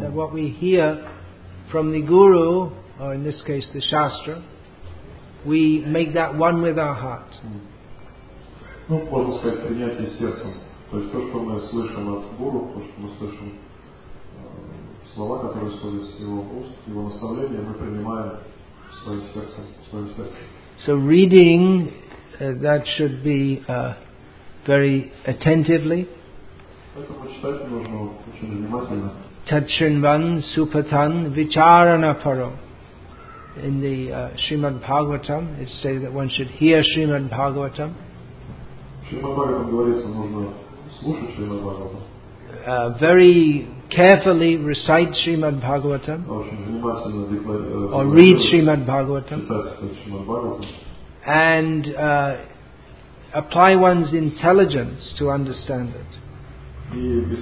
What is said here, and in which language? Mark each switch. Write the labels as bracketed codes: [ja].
[en] That what we hear from the Guru, or in this case the Shastra, we make that one with our heart. [ru] Ну, можно сказать, принятие сердцем. То есть то, что мы слышим от Гуру, то, что мы слышим. Слова, которые исходят с его уст, его наставления, мы принимаем в своем сердце, в своем сердце. [en] So reading, that should be very attentively. [ru] Это почитать нужно очень внимательно. [sa] Tachinvan Supatan Vicharana Param. [en] In the Srimad Bhagavatam, it says that one should hear Srimad Bhagavatam. [ru] Srimad Bhagavatam говорится, нужно слушать Srimad Bhagavatam. [en] Very carefully recite Srimad Bhagavatam or read Srimad Bhagavatam and apply one's intelligence to understand it.